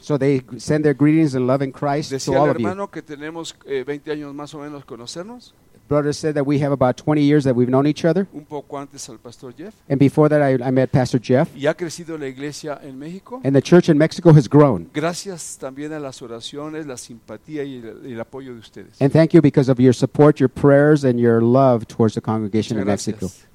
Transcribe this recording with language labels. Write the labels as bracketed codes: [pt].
[en] So they send their greetings and love in Christ [es] decía [en] to all of you. [es] Hermano que tenemos 20 años más o menos conocernos. [en] Brother said that we have about 20 years that we've known each other. [es] Un poco antes al Pastor Jeff. [en] And before that I met Pastor Jeff. [es] Y ha crecido la iglesia en México. [en] And the church in Mexico has grown. [es] Gracias también a las oraciones, la simpatía y el apoyo de ustedes. [en] And thank you because of your support, your prayers and your love towards the congregation in Mexico.